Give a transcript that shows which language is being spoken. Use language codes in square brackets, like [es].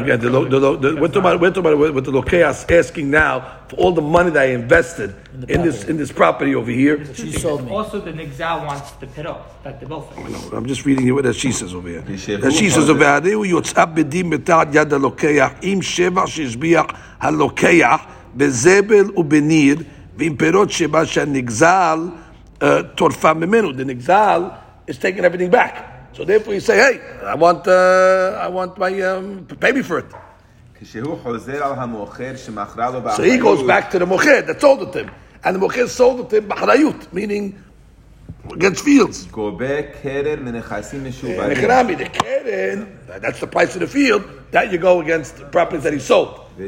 [en] Again, we're talking about the Lokeach asking now for all the money that I invested in this property over here. She sold me. Also, the Nigzal wants the Perot, but the both. I'm just reading you what she says over here. That she says over here, you yotzab yad Lokeach. [he] אם שבח שישביח הלוקח בזבל ובניר ועם פירות שבח שהנגזל תורפה ממנו. [en] The נגזל is taking everything back. So therefore you say, hey, I want my, pay me for it. [he] כשהוא חוזר על המוכר שמכרה לו באחריות. [en] So he goes back to the מוכר that sold it to him. And the מוכר sold it to him באחריות, meaning against fields. The keren, that's the price of the field, that you go against the properties that he sold.